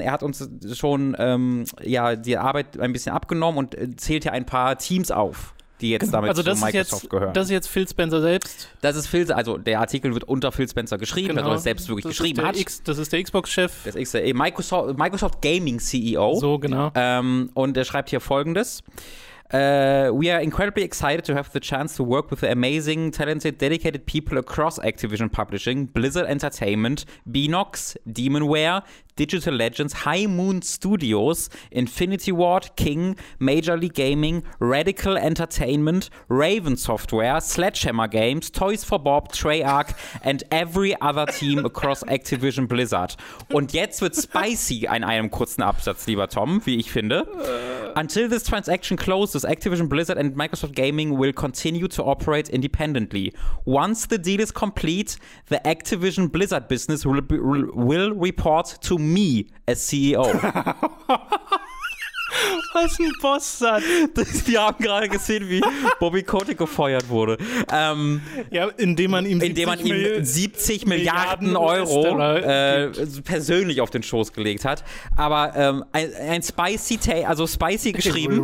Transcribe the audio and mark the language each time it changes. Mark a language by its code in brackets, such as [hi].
[de] Er hat uns schon die Arbeit ein bisschen abgenommen und zählt hier ein paar Teams auf, die jetzt damit also zu Microsoft gehören. Das ist jetzt Phil Spencer selbst? Das ist Phil, also der Artikel wird unter Phil Spencer geschrieben, genau. Also er selbst wirklich das geschrieben hat. Das ist der Xbox-Chef. Das ist der Microsoft Gaming CEO. So, genau. Und er schreibt hier Folgendes. [en] We are incredibly excited to have the chance to work with the amazing, talented, dedicated people across Activision Publishing, Blizzard Entertainment, Beenox, Demonware, Digital Legends, High Moon Studios, Infinity Ward, King, Major League Gaming, Radical Entertainment, Raven Software, Sledgehammer Games, Toys for Bob, Treyarch and every other team across Activision Blizzard. [de] Und jetzt wird spicy in einem kurzen Absatz, lieber Tom, wie ich finde. [en] Until this transaction closes, Activision Blizzard and Microsoft Gaming will continue to operate independently. Once the deal is complete, the Activision Blizzard business will report to me as CEO. [de] Was ein Boss-Satz. Wir haben gerade gesehen, wie Bobby Kotick gefeuert wurde. Indem man ihm 70 Milliarden Euro persönlich auf den Schoß gelegt hat. Aber ein spicy Take, also spicy geschrieben.